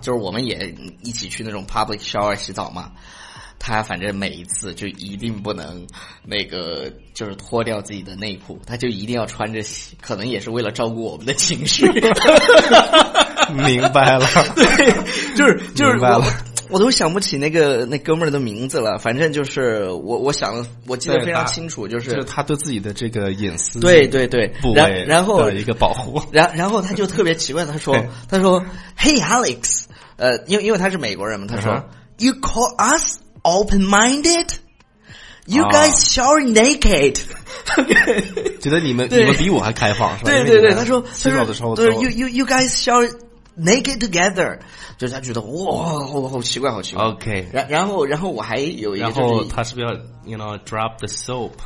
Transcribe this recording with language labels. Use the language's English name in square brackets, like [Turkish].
[Chinese] 就是我们也一起去那种 public shower 洗澡嘛。他反正每一次就一定不能那个，就是脱掉自己的内裤，他就一定要穿着洗，可能也是为了照顾我们的情绪。明白了，对，就是明白了。我都想不起那哥们儿的名字了，反正就是我记得非常清楚，就是他对自己的这个隐私，对对对，部位的然后一个保护，然后他就特别奇怪，他说 ， [English] Hey Alex， [Chinese] 因为他是美国人嘛，他说、 [English] You call us open minded， You guys shower naked， [Chinese] 觉得你们比我还开放是吧？对对对，他说洗澡的时候，对 [English] you guys shower。 Naked together， [Chinese] 就是他觉得哇，好奇怪。 OK，然后我还有一个，然后他是不是要 [English] you know drop the soap？